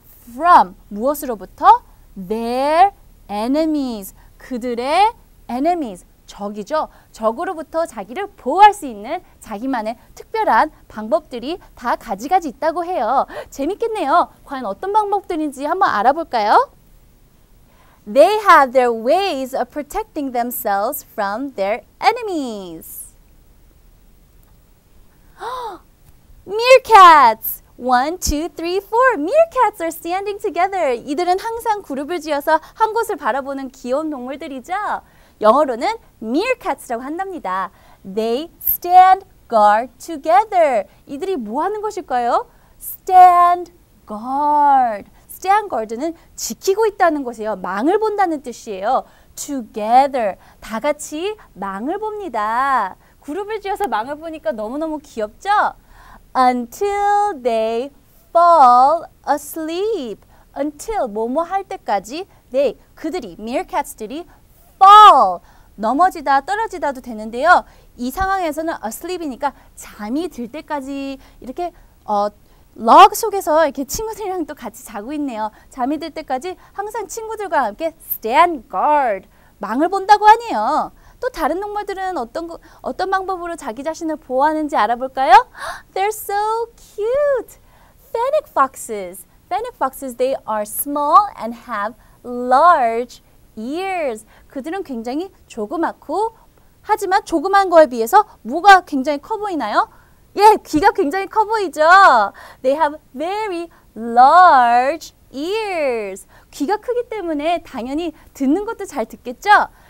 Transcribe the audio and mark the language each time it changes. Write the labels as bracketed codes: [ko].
[en] from, [ko] 무엇으로부터? [en] their enemies, [ko] 그들의 [en] enemies, [ko] 적이죠. 적으로부터 자기를 보호할 수 있는 자기만의 특별한 방법들이 다 가지가지 있다고 해요. 재밌겠네요. 과연 어떤 방법들인지 한번 알아볼까요? [en] They have their ways of protecting themselves from their enemies. Meerkats! One, two, three, four. Meerkats are standing together. [ko] 이들은 항상 그룹을 지어서 한 곳을 바라보는 귀여운 동물들이죠. 영어로는 meerkats라고 한답니다. [en] They stand guard together. [ko] 이들이 뭐 하는 것일까요? [en] Stand guard. [ko] Stand guard는 지키고 있다는 것이에요. 망을 본다는 뜻이에요. Together. 다 같이 망을 봅니다. 그룹을 지어서 망을 보니까 너무너무 귀엽죠? [en] Until they fall asleep. [ko] Until 뭐뭐 할 때까지 they, 그들이, meerkats들이 fall. 넘어지다, 떨어지다도 되는데요. 이 상황에서는 asleep이니까 잠이 들 때까지 이렇게 log 속에서 이렇게 친구들이랑 또 같이 자고 있네요. 잠이 들 때까지 항상 친구들과 함께 [en] stand guard. [ko] 망을 본다고 하네요. 또 다른 동물들은 어떤 방법으로 자기 자신을 보호하는지 알아볼까요? [en] They're so cute. Fennec foxes. Fennec foxes, they are small and have large ears. [ko] 그들은 굉장히 조그맣고 하지만 조그만 거에 비해서 뭐가 굉장히 커 보이나요? 예, 귀가 굉장히 커 보이죠? [en] They have very large ears. [ko] 귀가 크기 때문에 당연히 듣는 것도 잘 듣겠죠?